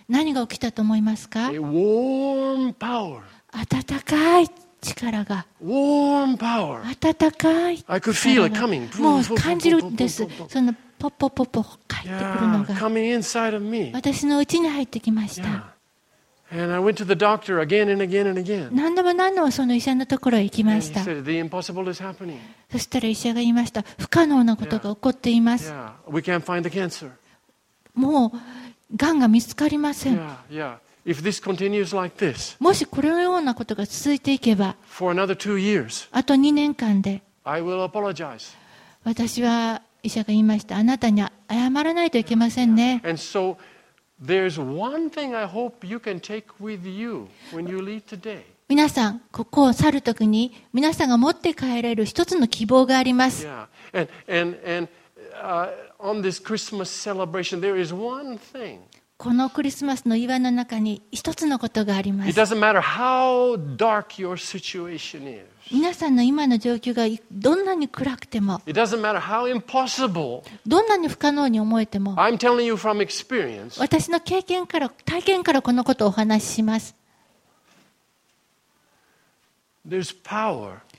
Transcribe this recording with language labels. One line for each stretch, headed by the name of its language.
Japanese: 何が起きたと思いますか?
English: A warm power.
Japanese: 温かい力が。
English: Warm power.
Japanese: 温かい力が。
English: I could feel it coming.
Japanese: もう感じるんです。そのポッポッポッポッ返ってくるのが。
English: Coming inside of me.
Japanese: 私の内に入ってきました。
English: And I went to the doctor again and again and again.
Japanese: 何度も何度もその医者のところへ行きました。
English: And he said, "The impossible is happening."
Japanese: そしたら医者が言いました。不可能なことが起こっています。
English: Yeah. We can't find the cancer.
Japanese: もうがんが見つかりません。
English: Yeah. Yeah. If this continues like this,
Japanese: もしこのようなことが続いていけば、
English: for another 2 years,
Japanese: あと2年間で、
English: I will apologize.
Japanese: 私は医者が言いました。あなたに謝らないといけませんね。
English: Yeah. And so,There's one thing I hope you can take with you when you leave today.
Japanese: 皆さん、ここを去るときに、皆さんが持って帰れる一つの希望があります。
English: Yeah. And on this Christmas celebration, there is one thing.
Japanese: このクリスマスの祝いの中に一つのことがあります。
English: It doesn't matter how dark your situation is.
Japanese: 皆さんの今の状況がどんなに暗くても、
English: It doesn't matter how impossible.
Japanese: どんなに不可能に思えても、
English: I'm telling you from experience.
Japanese: 私の経験から、体験からこのことをお話しします。
English: There's power.